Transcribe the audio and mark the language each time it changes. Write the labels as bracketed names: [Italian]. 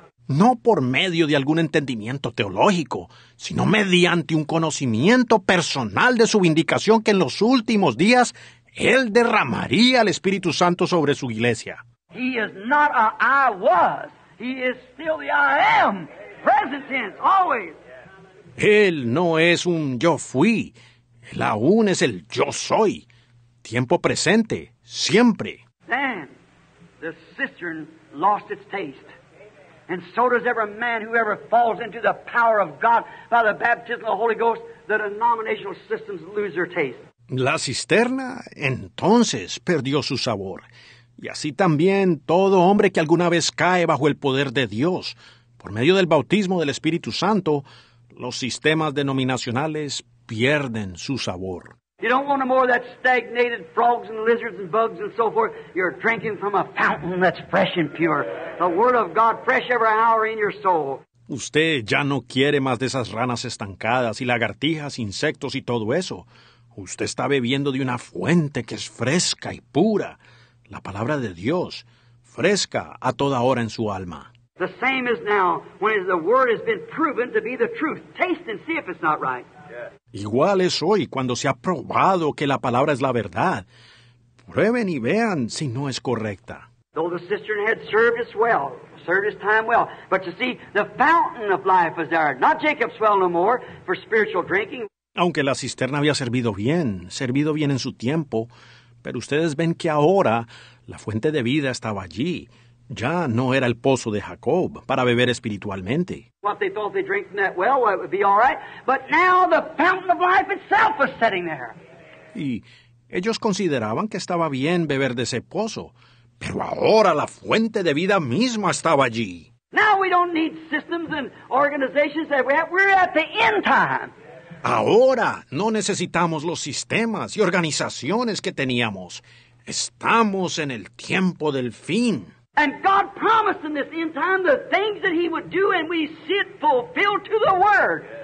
[Spanish] No por medio de algún entendimiento teológico, sino mediante un conocimiento personal de su vindicación que en los últimos días él derramaría el Espíritu Santo sobre su iglesia. [English] He is not a I was. He is still the I am. Present tense, always. [Spanish] Él no es un yo fui. Él aún es el yo soy. Tiempo presente, siempre. [English] Then the cistern lost its taste. And so does every man who ever falls into the power of God by the baptism of the Holy Ghost, the denominational systems lose their taste. [Spanish] La cisterna, entonces, perdió su sabor. Y así también todo hombre que alguna vez cae bajo el poder de Dios, por medio del bautismo del Espíritu Santo, los sistemas denominacionales pierden su sabor. [English] You don't want no more of that stagnated frogs and lizards and bugs and so forth. You're drinking from a fountain that's fresh and pure. The Word of God fresh every hour in your soul. [Spanish] Usted ya no quiere más de esas ranas estancadas y lagartijas, insectos y todo eso. Usted está bebiendo de una fuente que es fresca y pura. La palabra de Dios, fresca a toda hora en su alma. [English] The same is now when the Word has been proven to be the truth. Taste and see if it's not right. [Spanish] Igual es hoy cuando se ha probado que la palabra es la verdad. Prueben y vean si no es correcta. [English] Though the cistern had served us well, served his time well. But you see, the fountain of life was there, not Jacob's well no more, for spiritual drinking. [Spanish] Aunque la cisterna había servido bien en su tiempo, pero ustedes ven que ahora la fuente de vida estaba allí. Ya no era el pozo de Jacob para beber espiritualmente. [English] What they thought they drank from that well, well, it would be all right. But now the fountain of life itself was sitting there. [Spanish] Y ellos consideraban que estaba bien beber de ese pozo, pero ahora la fuente de vida misma estaba allí. [English] Now we don't need systems and organizations that we have. We're at the end time. [Spanish] Ahora no necesitamos los sistemas y organizaciones que teníamos. Estamos en el tiempo del fin. [English] And God promised in this end time the things that he would do, and we see it fulfilled to the word.